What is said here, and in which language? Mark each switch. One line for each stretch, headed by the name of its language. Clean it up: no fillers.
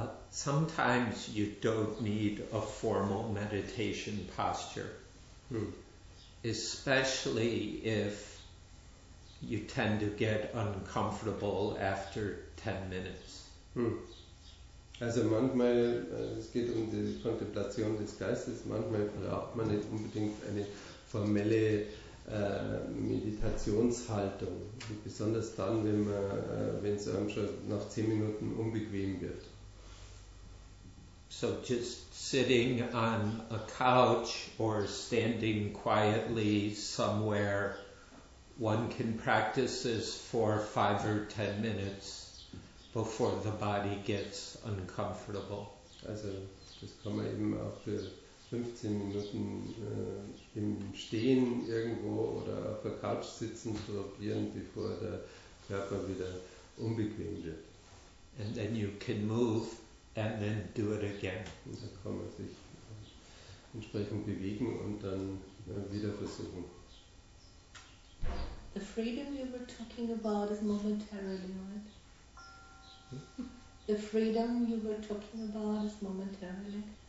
English: Sometimes you don't need a formal meditation posture, especially if you tend to get uncomfortable after 10 minutes.
German: Also manchmal, es geht um die Kontemplation des Geistes, manchmal braucht man nicht unbedingt eine formelle Meditationshaltung. Und besonders dann, wenn man, wenn es einem schon nach 10 Minuten unbequem wird.
English: So just sitting on a couch or standing quietly somewhere, one can practice this for 5 or 10 minutes before the body gets uncomfortable.
German: Also das kann man eben auch für 15 Minuten im Stehen irgendwo oder auf der Couch sitzen probieren, bevor der Körper wieder unbequem wird.
English: And then you can move. And then do it again.
German: Und dann kann man sich entsprechend bewegen und dann wieder versuchen.
English: The freedom you were talking about is momentarily, right? The freedom you were talking about is momentarily.